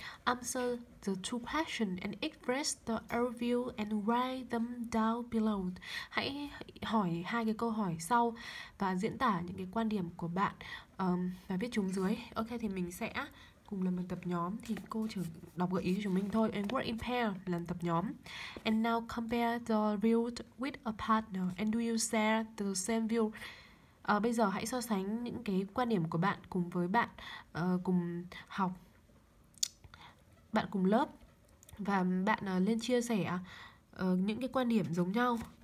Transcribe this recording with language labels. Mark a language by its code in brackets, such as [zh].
[en] Answer the two questions and express the overview and write them down below. [vi] Hãy hỏi hai cái câu hỏi sau và diễn tả những cái quan điểm của bạn và viết chúng dưới. Ok, thì mình sẽ cùng làm bài tập nhóm thì cô chỉ đọc gợi ý cho chúng mình thôi. [en] And work in pair, [vi] làm tập nhóm. [en] And now compare the view with a partner and do you share the same view? [vi] Bây giờ hãy so sánh những cái quan điểm của bạn cùng với bạn cùng học, bạn cùng lớp và bạn lên chia sẻ những cái quan điểm giống nhau.